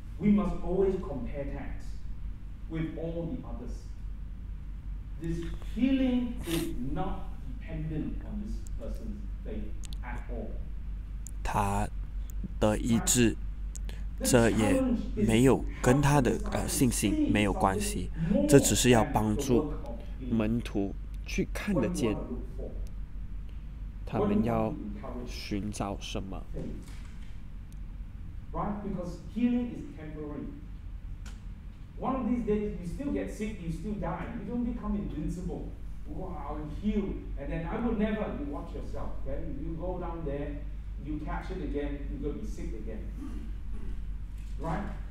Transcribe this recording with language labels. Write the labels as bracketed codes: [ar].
[en] We must always compare texts with all the others. This healing is not dependent on this person's faith at all. [zh] 他的医治，这也没有跟他的信心没有关系。这只是要帮助门徒去看得见，他们要寻找什么。 [en] Right, because healing is temporary. One of these days, you still get sick, you still die. You don't become invincible. Wow, I'm healed, and then I will never. You watch yourself. Then you go down there, you catch it again. You're gonna be sick again. Right?